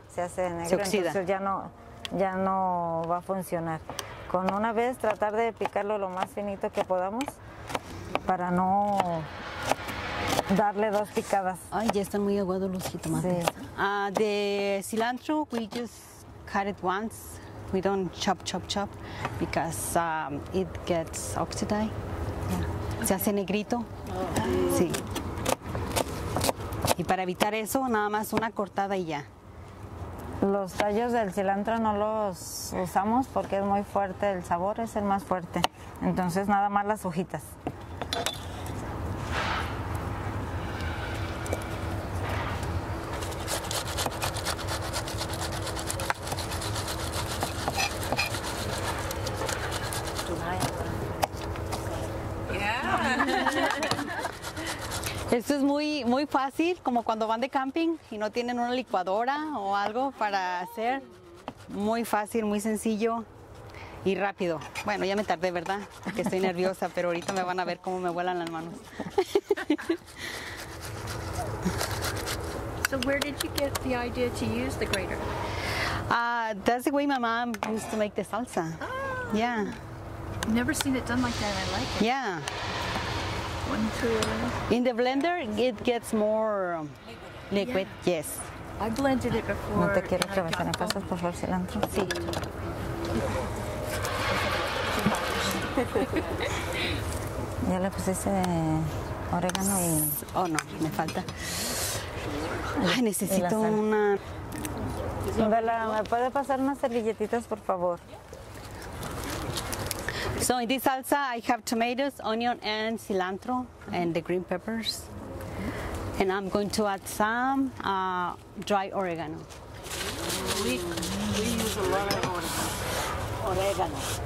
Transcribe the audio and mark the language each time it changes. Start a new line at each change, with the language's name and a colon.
Spanish: Se hace negro. Se oxida. Entonces ya no va a funcionar. Con una vez tratar de picarlo lo más finito que podamos para no darle dos picadas. Ay, ya están muy aguados los jitomates. Sí. De cilantro,
English: we just cut it once. We don't chop because it gets oxidized. Yeah. Okay.
Spanish: Se hace negrito. Oh. Sí. Y para evitar eso, nada más una cortada y ya. Los tallos del cilantro no los usamos porque es muy fuerte, el sabor es el más fuerte. Entonces, nada más las hojitas. Esto es muy, muy fácil, como cuando van de camping y no tienen una licuadora o algo para hacer. Muy fácil, muy sencillo y rápido. Bueno, ya me tardé, ¿verdad? Porque estoy nerviosa, pero ahorita me van a ver cómo me vuelan las manos.
English: So where did you get the idea to use the grater? That's the way my mom used to make the salsa. Oh. Yeah. Never seen it done like that. I like it. Yeah. One, two. In the blender, it gets more liquid. Yeah. Yes. I blended it before.
Spanish: No te quiero que vayan a pasar, por favor, cilantro. Sí. Ya le pusiste orégano y... Oh, no, me falta. Ay, necesito una... Bella, ¿me puede pasar unas servilletitas, por favor?
English: So in this salsa, I have tomatoes, onion, and cilantro, and the green peppers. And I'm going to add some dry oregano. We use a lot of oregano. Oregano.